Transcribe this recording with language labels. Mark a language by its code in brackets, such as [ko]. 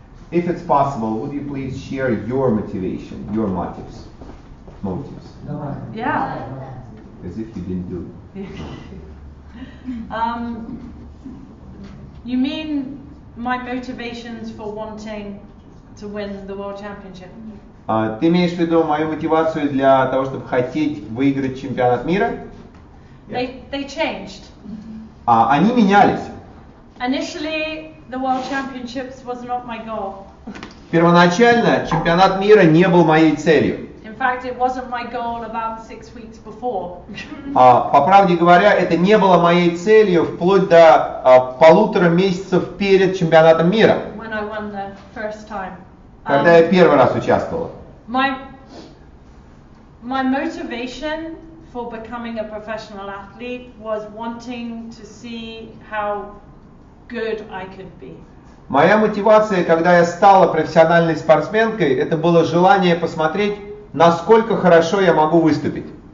[en] If it's possible, would you please share your motivation, your motives? Motives. Yeah. As if you didn't do. You mean my motivations for wanting to win the world championship? [ru] Ты имеешь в виду мою мотивацию для того, чтобы хотеть выиграть чемпионат мира? [en] They changed. [ru] Они менялись. [en] Initially, the world championships was not my goal. [ru] Первоначально чемпионат мира не был моей целью. [en] In fact, it wasn't my goal about 6 weeks before. [ru] По правде говоря, это не было моей целью вплоть до полутора месяцев перед чемпионатом мира. [en] When I won the first time. [ru] Когда я первый раз участвовал. [en] My motivation for becoming a professional athlete was wanting to see how good I could be. [ru] Моя мотивация, когда я стала профессиональной спортсменкой, это было желание посмотреть, насколько хорошо я могу выступить.